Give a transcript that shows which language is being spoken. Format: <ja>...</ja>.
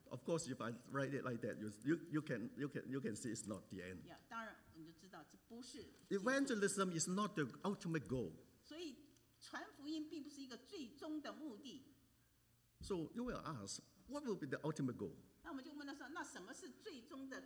<en>Of course, if I write it like that, you can see it's not the end.</en> <zh>Yeah, 当然你就知道这不是。</zh> <en>Evangelism is not the ultimate goal.</en> <zh>所以传福音并不是一个最终的目的。</zh> <en>So you will ask, what will be the ultimate goal?</en> <zh>那我们就问他说，那什么是最终的？</zh>